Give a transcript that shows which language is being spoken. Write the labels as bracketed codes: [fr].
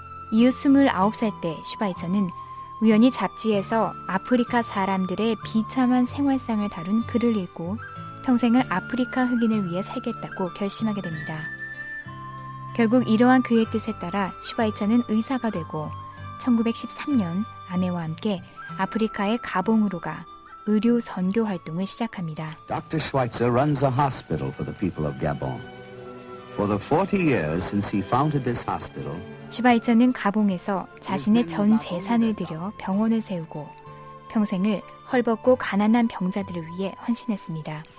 [ko] 이후 29살 때 슈바이처는 우연히 잡지에서 아프리카 사람들의 비참한 생활상을 다룬 글을 읽고 평생을 아프리카 흑인을 위해 살겠다고 결심하게 됩니다. 결국 이러한 그의 뜻에 따라 슈바이처는 의사가 되고 1913년 아내와 함께 아프리카의 가봉으로 가 의료 선교 활동을 시작합니다. [en] Dr. Schweitzer runs a hospital for the people of Gabon. For the 40 years since he founded this hospital, [ko] 슈바이처는 가봉에서 자신의 전 재산을 들여 병원을 세우고 평생을 헐벗고 가난한 병자들을 위해 헌신했습니다.